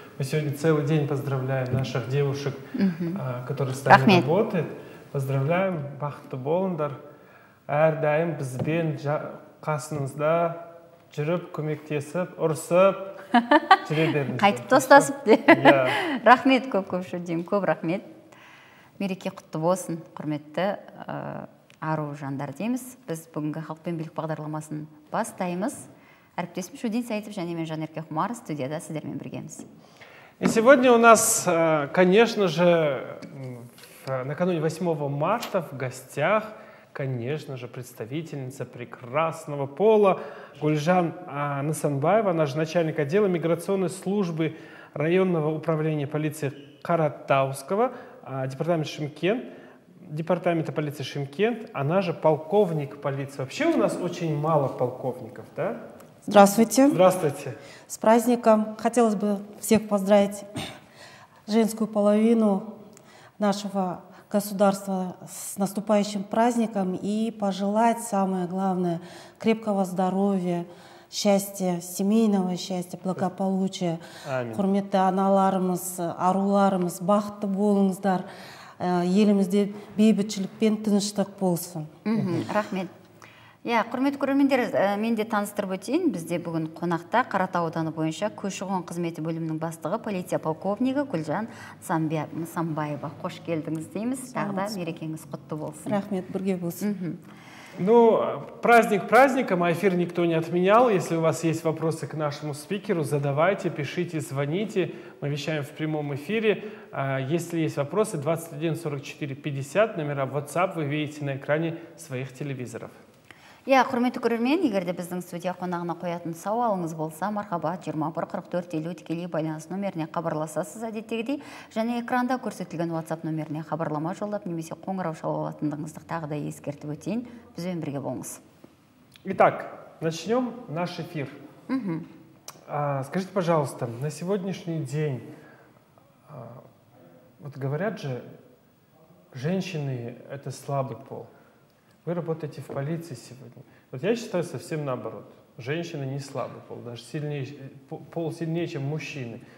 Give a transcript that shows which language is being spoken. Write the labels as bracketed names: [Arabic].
[Russian] Мы сегодня целый день поздравляем наших девушек, которые с нами работают. Поздравляем. [Kazakh] Бахты болыңдар. Әрдайым бізбен қасыңызда жүріп, көмектесіп, ұрсып, жүре беріңіз. Қайтып тостасып. Рахмет көп-көп жүрдейм. Көп рахмет. Мереке құтты болсын, құрметті ару жандар дейміз. Біз бүгінгі халық пен билік бағдарламасын бастаймыз. Әріптесім Шудин Сайтов және мен Жанерке Хумар студияда сіздермен біргеміз. [Russian] И сегодня у нас, конечно же, накануне 8 марта в гостях, конечно же, представительница прекрасного пола Гульжан Нысанбаева. Она же начальник отдела миграционной службы районного управления полиции Каратауского, департамент Шымкент. Департамента полиции Шымкент, она же полковник полиции. Вообще у нас очень мало полковников, да? Здравствуйте. Здравствуйте. С праздником. Хотелось бы всех поздравить женскую половину нашего государства с наступающим праздником и пожелать, самое главное, крепкого здоровья, счастья, семейного счастья, благополучия. Аминь. [Kazakh] Құрметті аналарымыз, аруларымыз, бақытты болыңыздар. Елімізде бейбітшілік пен тыныштық болсын. Рахмет. Я, құрметті көрермендер, мен де таныстырып өтейін. Бізде бүгін қонақта Қаратау ауданы бойынша көші-қон қызметі бөлімінің бастығы полиция полковнигі Гүлжан Нысанбаева. Қош келдіңіз дейміз. Тағы да мерекеңіз құтты болсын. Рахмет, бірге болсын. [Russian] Ну, праздник праздником, а эфир никто не отменял. Если у вас есть вопросы к нашему спикеру, задавайте, пишите, звоните. Мы вещаем в прямом эфире. Если есть вопросы, 21-44-50, номера WhatsApp вы видите на экране своих телевизоров. [Kazakh] Я, құрметті көрермен, егер де біздің студия қонағына қоятын сауалыңыз болса, мархаба 21-44-50 тікелей байланыс номеріне хабарласасыз әдеттегідей, және экранда көрсетілген WhatsApp номеріне хабарлама жолдап, немесе қоңырау шалып алатындығыңызды тағы да ескертіп өтейін, бізбен бірге болыңыз. [Russian] Итак, начнем наш эфир. Скажите, пожалуйста, на сегодняшний день, вот говорят же, женщины – это слабый пол. Вы работаете в полиции сегодня. Вот я считаю совсем наоборот. Женщины не слабый пол, даже сильнее, пол сильнее, чем мужчины.